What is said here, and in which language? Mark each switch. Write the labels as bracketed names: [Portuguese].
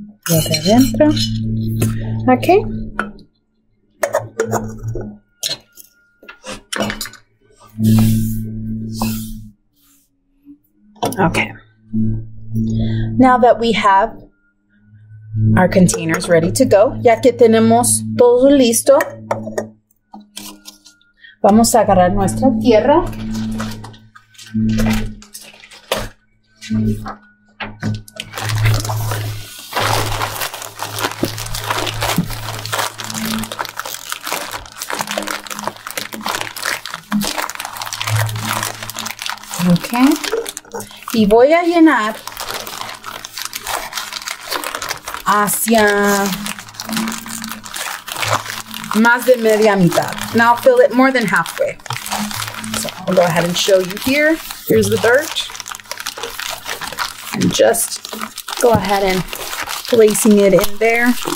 [Spanish] Lo de adentro. Okay. [English] Okay. Now that we have our container is ready to go. [Spanish] Ya que tenemos todo listo, vamos a agarrar nuestra tierra. Okay. Y voy a llenar hacia más de media mitad. [English] Now I'll fill it more than halfway. So I'll go ahead and show you here. Here's the dirt. And just go ahead and placing it in there.